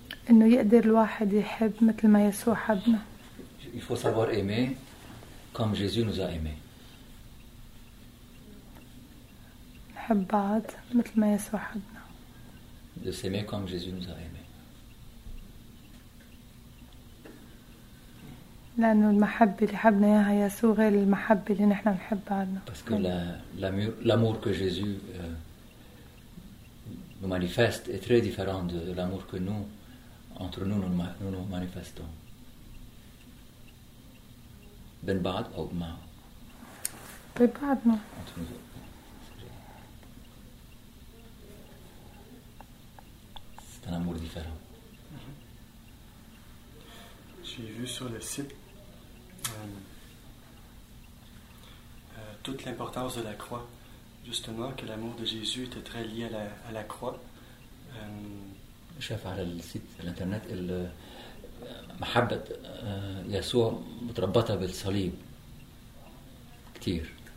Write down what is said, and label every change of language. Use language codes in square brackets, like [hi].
[ar] انه يقدر الواحد يحب مثل ما يسوع حبنا. [fr] Il faut savoir aimer comme Jésus nous a aimé. [ar] نحب بعض مثل ما يسوع حبنا. [fr] De s'aimer comme Jésus nous a aimé. [ar] لانه المحبه اللي حبنا اياها يسوع غير المحبه اللي نحن بنحب بعضنا. [fr] Parce que l'amour que Jésus nous manifeste est très différent de l'amour que nous, entre nous, nous manifestons. Ben Bad ou Ma? Ben Bad, non. C'est un amour différent. J'ai vu sur le site toute l'importance de la croix. Justement, que l'amour de Jésus était très lié à la croix. [ar] شاف على السيت الانترنت محبة يسوع مترابطة بالصليب كتير.